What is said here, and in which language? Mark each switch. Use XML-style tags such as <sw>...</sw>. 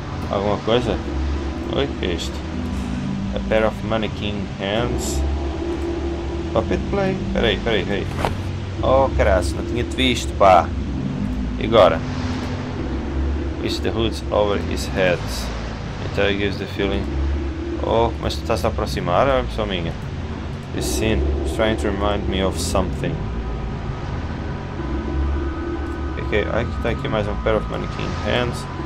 <pt>Alguma coisa? Oi, que é isto?</pt> <en>A pair of mannequin hands. Puppet play.</en> <pt>Peraí. Oh, caralho, não tinha-te visto, pá. E agora?</pt> <en>It's the hood over his head. Então, it gives the feeling.</en> <pt>Oh, mas tu estás a aproximar, olha, pessoa minha.</pt> <en>This scene is trying to remind me of something.</en> <pt>Ok, aqui está aqui mais um</pt> <en>pair of mannequin hands.</en>